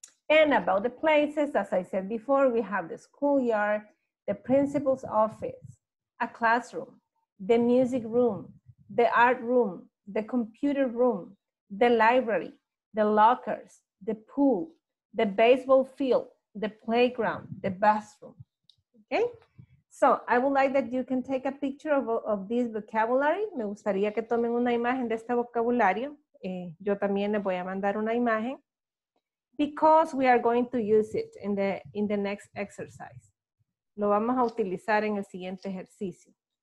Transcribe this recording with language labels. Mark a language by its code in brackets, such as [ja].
[en] And about the places, as I said before, we have the schoolyard, the principal's office, a classroom, the music room, the art room, the computer room, the library, the lockers, the pool, the baseball field, the playground, the bathroom, okay? So, I would like that you can take a picture of this vocabulary. [es] Me gustaría que tomen una imagen de este vocabulario. Yo también les voy a mandar una imagen. [en] Because we are going to use it in the next exercise. [es] Lo vamos a utilizar en el siguiente ejercicio.